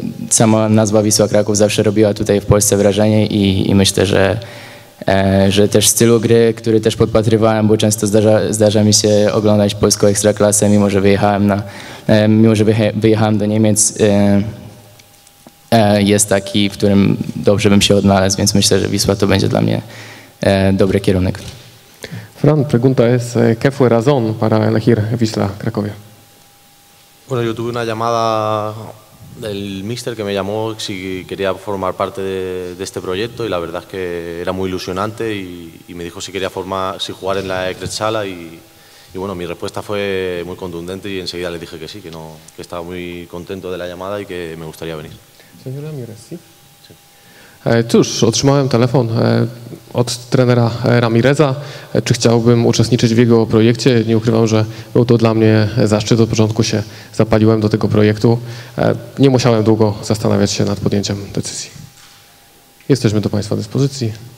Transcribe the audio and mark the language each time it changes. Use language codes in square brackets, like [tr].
[pl] Sama nazwa Wisła Kraków zawsze robiła tutaj w Polsce wrażenie i myślę, że też stylu gry, który też podpatrywałem, bo często zdarza mi się oglądać polską ekstraklasę, mimo że wyjechałem wyjechałem do Niemiec, jest taki, w którym dobrze bym się odnalazł, więc myślę, że Wisła to będzie dla mnie dobry kierunek. [es] Fran, pregunta es, ¿qué fue razón para elegir Wisła Cracovia? Bueno, yo tuve una llamada El míster que me llamó si quería formar parte de este proyecto y la verdad es que era muy ilusionante y me dijo si quería formar, si jugar en la Ekretsala y bueno, mi respuesta fue muy contundente y enseguida le dije que sí, que no, que estaba muy contento de la llamada y que me gustaría venir. Señor Ramírez, ¿sí? [pl] Cóż, otrzymałem telefon od trenera Ramireza, czy chciałbym uczestniczyć w jego projekcie. Nie ukrywam, że był to dla mnie zaszczyt. Od początku się zapaliłem do tego projektu. Nie musiałem długo zastanawiać się nad podjęciem decyzji. Jesteśmy do Państwa dyspozycji.